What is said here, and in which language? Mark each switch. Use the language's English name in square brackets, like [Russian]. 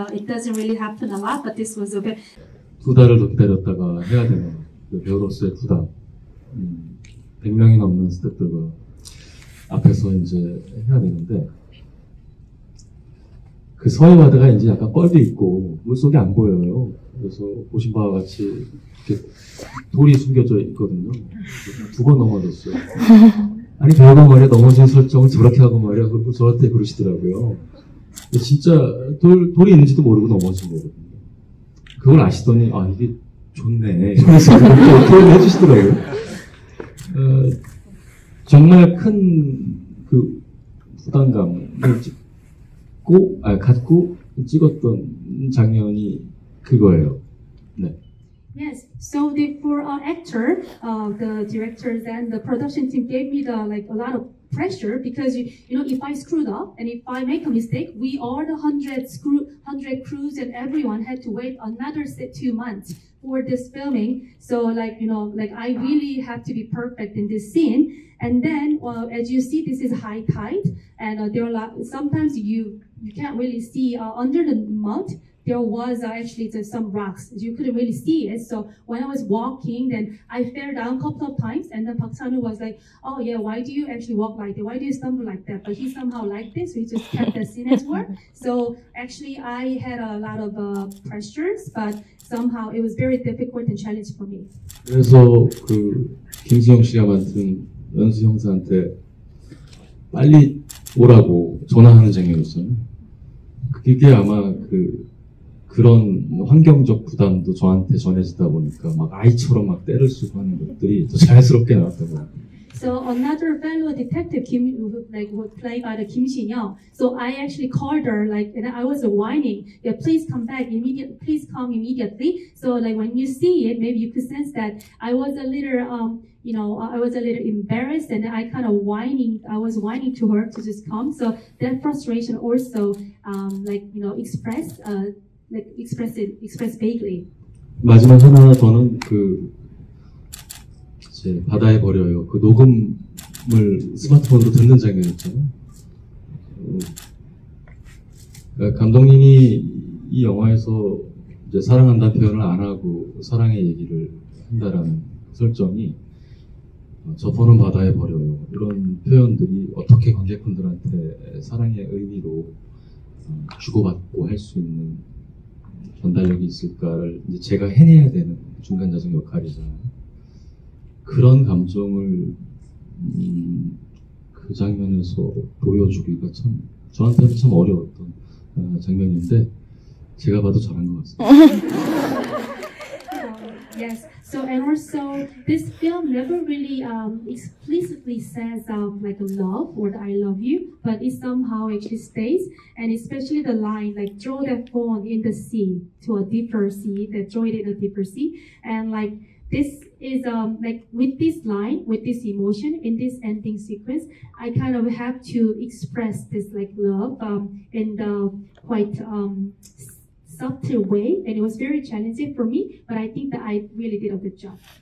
[English] It doesn't really happen a lot, but this was a bit. [Korean] 두 달을 더 기다렸다가 해야 되는 그 배우로서의 부담. 100명이 넘는 스태프들과 앞에서 이제 해야 되는데. 그 서해 바다가 이제 약간 뻘도 있고 물속이 안 보여요. 그래서 보신 바와 같이 이렇게 돌이 숨겨져 있거든요. 두 번 넘어졌어요. 아니 저거 말이야 넘어진 설정은 저렇게 하고 말이야 그러고 저한테 그러시더라고요. 진짜 돌이 있는지도 모르고 넘어진 거거든요. 그걸 아시더니 아 이게 좋네. 이렇게 해주시더라고요. 정말 큰 그 부담감을 갖고 찍었던 장면이 그거예요. 네. [English] Yes. So the for our actor, the director and the production team gave me the like a lot of pressure because you know if I screwed up and if I make a mistake, we are the 100 crews and everyone had to wait another 2 months for this filming. So like you know like I really have to be perfect in this scene. And then as you see, this is high tide, and there are a lot, sometimes you can't really see under the mud. There was actually some rocks. You couldn't really see it. So when I was walking, then I fell down a couple of times. And then Park Chan-woo was like, oh, yeah, why do you actually walk like that? Why do you stumble like that? But he somehow liked it. So he just kept the scene as well. So actually, I had a lot of pressures. But somehow, it was very difficult and challenging for me. [Korean] 그래서 그 김지영 씨가 만든 연수 형사한테 빨리 오라고 전화하는 장면이었어요. 그게 아마 그 그런 환경적 부담도 저한테 전해지다 보니까 막 아이처럼 막 때를 쓰고 하는 것들이 더 자연스럽게 나왔던 것 같아요. [English] So another fellow detective Kim, like was played by the Kim Shin Young. So I actually called her like and I was whining, yeah, please come back immediately. Please come immediately. So like when you see it, maybe you could sense that I was a little you know, I was a little embarrassed and I kind of whining, I was whining to her to just come. So that frustration also like you know expressed. Express vaguely. [Korean] 마지막 하나 저는 그 이제 바다에 버려요. 그 녹음을 스마트폰으로 듣는 장면이었잖아요. 감독님이 이 영화에서 이제 사랑한다 표현을 안 하고 사랑의 얘기를 한다라는 설정이 저 번은 바다에 버려요. 이런 표현들이 어떻게 관객분들한테 사랑의 의미로 주고받고 할 수 있는 전달력이 있을까를 이제 제가 해내야 되는 중간자적 역할이잖아요. 그런 감정을 그 장면에서 보여주기가 참 저한테는 참 어려웠던 장면인데 제가 봐도 잘한 것 같습니다. [English] Yes. So and also this film never really explicitly says like love or I love you, but it somehow actually stays. And especially the line like throw that phone in the sea to a deeper sea, that throw it in a deeper sea. And like this is like with this line, with this emotion in this ending sequence, I kind of have to express this like love in the quite subtle way, and it was very challenging for me, but I think that I really did a good job.